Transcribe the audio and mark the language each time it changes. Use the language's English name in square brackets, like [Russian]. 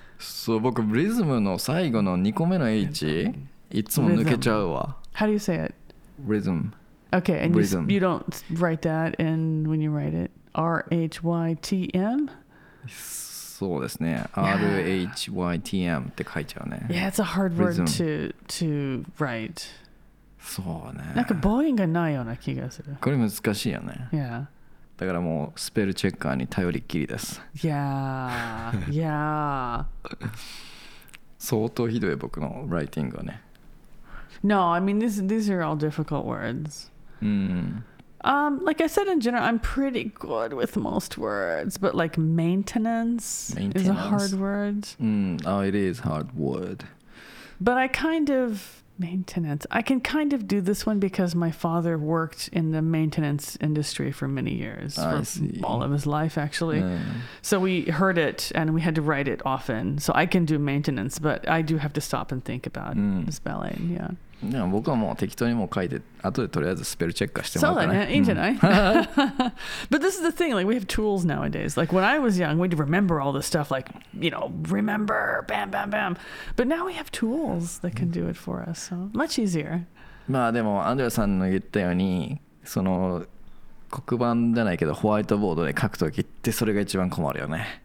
[Japanese] So 僕、リズムの最後の2個目の H、いつも抜けちゃうわ。 [English] How do you say it? Rhythm. Okay, and you don't write that in when you write it? R-H-Y-T-M? [Japanese] So. そうですね。R-H-Y-T-M って書いちゃうね。 [English] Yeah, it's a hard word to write. [Japanese] そうね。なんか母音がないような気がする。これ難しいよね。 [English] Yeah. [Japanese] だからもうスペルチェッカーに頼りっきりです。 [English] Yeah, yeah. [Japanese] 相当ひどい僕のライティングはね。 [English] No, I mean, these are all difficult words. Mm-hmm. Like I said, in general, I'm pretty good with most words, but like maintenance is a hard word. Oh, it is a hard word. But I kind of Maintenance. I can kind of do this one because my father worked in the maintenance industry for many years. All of his life, actually. So we heard it and we had to write it often. So I can do maintenance, but I do have to stop and think about spelling. Yeah. [Japanese] でも僕はもう適当にもう書いて後でとりあえずスペルチェックしてもらうかな。そうだね、いいんじゃない。 [English] But this is the thing, like we have tools nowadays. Like when I was young, we'd remember all this stuff, like you know, remember, bam, bam, bam. But now we have tools that can do it for us, so much easier. [Japanese] まあでもアンデラさんの言ったように、その黒板じゃないけどホワイトボードで書くときってそれが一番困るよね。